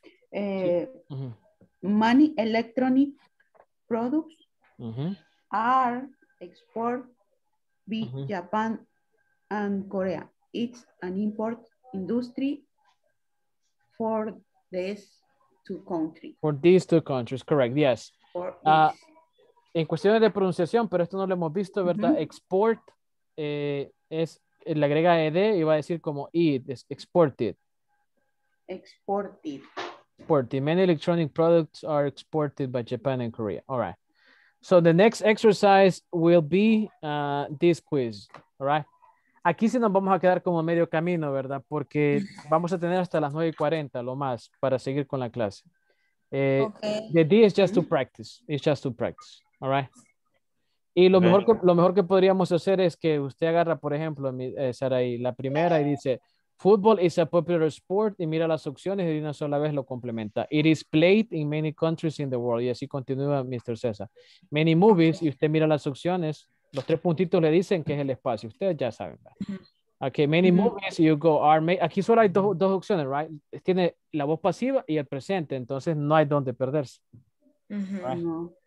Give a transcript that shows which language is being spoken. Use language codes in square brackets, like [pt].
[en] Money electronic products are exported by Japan and Korea. It's an import industry for these two countries. For these two countries, correct. Yes. [es] En cuestiones de pronunciación, pero esto no lo hemos visto, ¿verdad? Mm-hmm. Export es le agrega ed y va a decir como it es exported. [en] Many electronic products are exported by Japan and Korea. All right, so the next exercise will be this quiz. [es] All right, aquí sí nos vamos a quedar como medio camino, ¿verdad? Porque vamos a tener hasta las 9:40 lo más para seguir con la clase. [en] Okay. The D is just to practice. It's just to practice. All right. [es] Y lo mejor que podríamos hacer es que usted agarra, por ejemplo, Sarai, la primera y dice, [en] football is a popular sport, [es] y mira las opciones y de una sola vez lo complementa. [en] It is played in many countries in the world. [es] Y así continúa Mr. César. Many movies, y usted mira las opciones, los tres puntitos le dicen que es el espacio. Ustedes ya saben. [en] Okay, many movies, you go, are made. [es] Aquí solo hay dos opciones, [en] right? [es] Tiene la voz pasiva y el presente, entonces no hay donde perderse. [en] Uh-huh. Right?